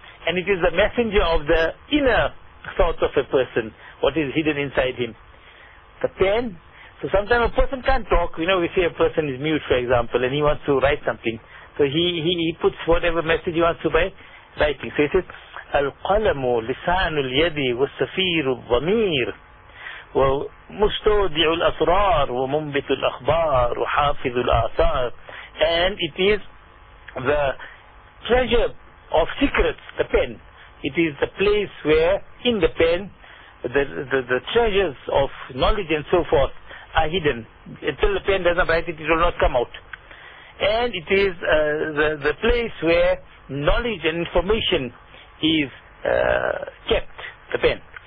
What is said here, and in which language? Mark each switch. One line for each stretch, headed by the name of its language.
English: And it is the messenger of the inner thoughts of a person, what is hidden inside him. The pen. So sometimes a person can't talk. You know, we say a person is mute, for example, and he wants to write something. So he puts whatever message he wants to by writing. So he says,
Arabic: Al-qalamu lisanul yadi wa safiru dhamir. ومستودع الأسرار ومنبت الأخبار وحافظ الآثار.
English: And it is the treasure of secrets, the pen. It is the place where in the pen the treasures of knowledge and so forth are hidden. Until the pen does not write it, it will not come out. And it is the place where knowledge and information is kept, the pen.